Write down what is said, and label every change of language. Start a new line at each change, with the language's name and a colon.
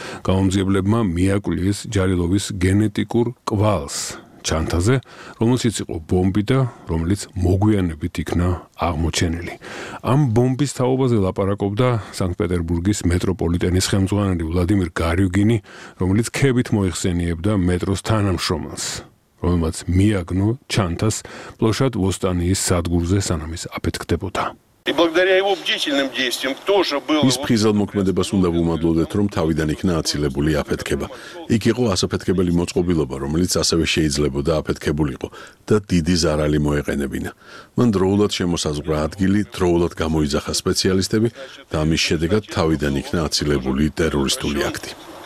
Georgian: გამომძიებლებმა მიაკვლიეს ჯალილოვის გენეტიკურ კვალს ჩანთაზე, რომელშიც იყო ბომბი და რომელიც მოგვიანებით იქნა აღმოჩენილი. ამ ბომბის თაობაზე ლაპარაკობდა სანქტ-პეტერბურგის მეტროპოლიტენის ხელმძღვანელი ვლადიმირ გარიუგინი, რომელიც ქებით მოიხსენიებდა მეტროს თანამშრომელს, რომელმაც მიაგნო ჩანთას პლოშად ვოსტანიის სადგურზე, სანამ ის აფეთქდებოდა.
Russian: И благодаря его бдительным действиям тоже было.
Georgian: Ис призал მოქმედებას უნდა ვუმადლოდეთ, რომ თავიდან იქნა აცილებული აფეთქება. იქ იყო ასაფეთქებელი მოწყობილობა, რომელიც ასევე შეიძლებოდა აფეთქებულიყო და დიდი ზარალი მოეყენებინა. მან დროულად შემოსაზღვრა ადგილი, დროულად გამოიძახა სპეციალისტები და ამის შედეგად თავიდან იქნა აცილებული ტერორისტული აქტი.